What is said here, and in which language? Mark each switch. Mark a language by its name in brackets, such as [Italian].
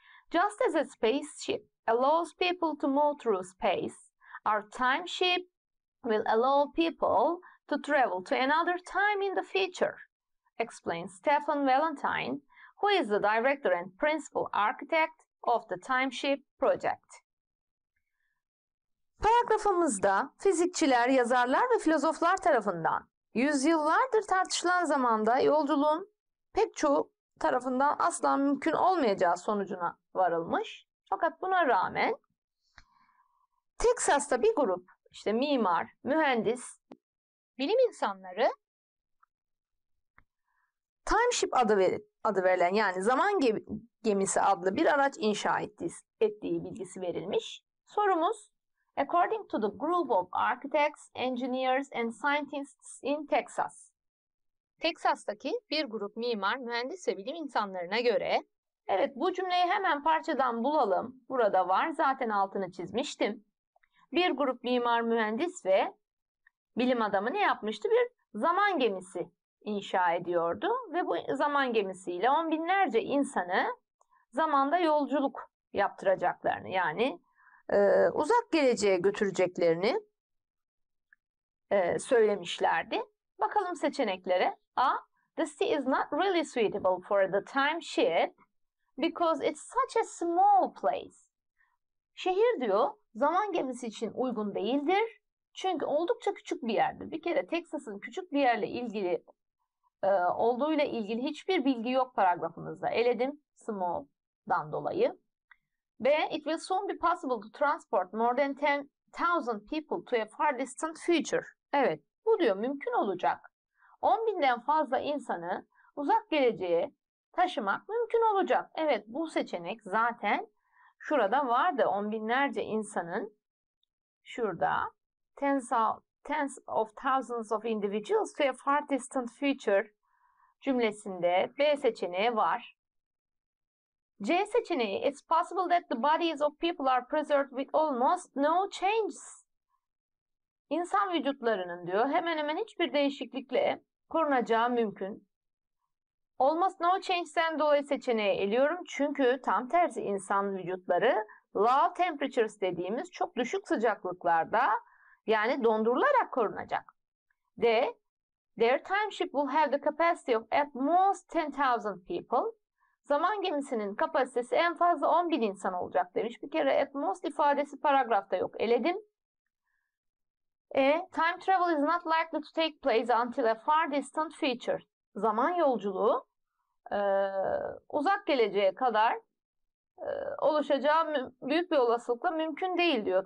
[English] Just as a spaceship allows people to move through space, our time ship will allow people to travel to another time in the future, explains Stefan Valentine, who is the director and principal architect of the time ship project. [Turkish] Paragrafımızda fizikçiler, yazarlar ve filozoflar tarafından yüzyıllardır tartışılan zamanda yolculuğun pek çoğu tarafından asla mümkün olmayacağı sonucuna varılmış. Fakat buna rağmen Texas'ta bir grup işte mimar, mühendis, bilim insanları Timeship adı verilen yani zaman gemisi adlı bir araç inşa ettiği bilgisi verilmiş. [English] Sorumuz: According to the group of architects, engineers and scientists in Texas. [Turkish] Texas'taki bir grup mimar, mühendis ve bilim insanlarına göre. Evet, bu cümleyi hemen parçadan bulalım. Burada var, zaten altını çizmiştim. Bir grup mimar, mühendis ve bilim adamı ne yapmıştı? Bir zaman gemisi inşa ediyordu ve bu zaman gemisiyle on binlerce insanı zamanda yolculuk yaptıracaklarını, yani uzak geleceğe götüreceklerini söylemişlerdi. Bakalım seçeneklere. A. [English] The sea is not really suitable for the time ship because it's such a small place. [Turkish] Şehir diyor, zaman gemisi için uygun değildir. Çünkü oldukça küçük bir yerdir. Bir kere Texas'ın küçük bir yerle ilgili olduğuyla ilgili hiçbir bilgi yok paragrafımızda. Eledim small'dan dolayı. B. [English] It will soon be possible to transport more than 10,000 people to a far distant future. [Turkish] Evet, bu diyor mümkün olacak. 10 binden fazla insanı uzak geleceğe taşımak mümkün olacak. Evet, bu seçenek zaten şurada vardı. 10 binlerce insanın şurada. [English] Tens of thousands of individuals to a far distant future [Turkish] cümlesinde B seçeneği var. C seçeneği: [English] It's possible that the bodies of people are preserved with almost no changes. [Turkish] İnsan vücutlarının diyor hemen hemen hiçbir değişiklikle korunacağı mümkün. [English] Almost no change'den [Turkish] dolayı seçeneği eliyorum. Çünkü tam tersi, insan vücutları [English] low temperatures [Turkish] dediğimiz çok düşük sıcaklıklarda, yani dondurularak korunacak. D. [English] Their time ship will have the capacity of at most 10,000 people. [Turkish] Zaman gemisinin kapasitesi en fazla 10.000 insan olacak demiş. Bir kere at most ifadesi paragrafta yok. Eledim. E. [English] Time travel is not likely to take place until a far distant future. [Turkish] Zaman yolculuğu uzak geleceğe kadar oluşacağı büyük bir olasılıkla mümkün değil diyor.